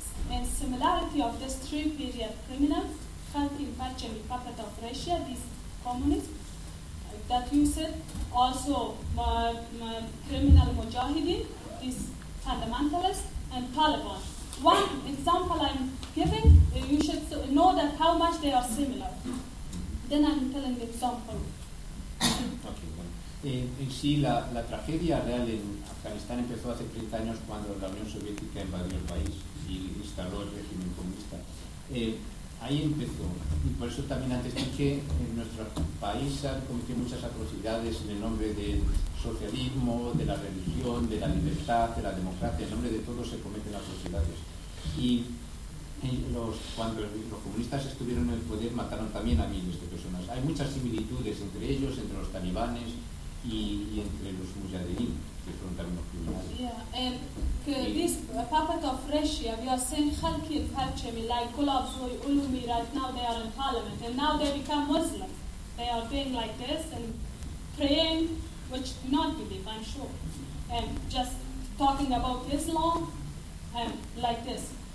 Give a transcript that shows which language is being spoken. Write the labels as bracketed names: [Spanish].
[English] And similarity of this three period criminals, Khalki and Parchami, puppet of Russia, these communists that you said, also my criminal Mujahideen, these fundamentalists, and Taliban. One example I'm giving, you should know that how much they are similar. Then I'm telling the example. [Spanish] En sí, la tragedia real en Afganistán empezó hace 30 años cuando la Unión Soviética invadió el país y instaló el régimen comunista. Ahí empezó. Y por eso también antes dije, en nuestro país han cometido muchas atrocidades en el nombre del socialismo, de la religión, de la libertad, de la democracia. En nombre de todo se cometen atrocidades. Y cuando los comunistas estuvieron en el poder, mataron también a miles de personas. Hay muchas similitudes entre ellos, entre los talibanes, y entre los mujahideen, que fueron también los criminales. [English] Yeah, and this puppet of Russia, we are saying Khalki and Parchami, like Gulabzoy Ulumi, right now they are in parliament, and now they become Muslim. They are being like this and praying, which do not believe, I'm sure. And just talking about Islam, like this.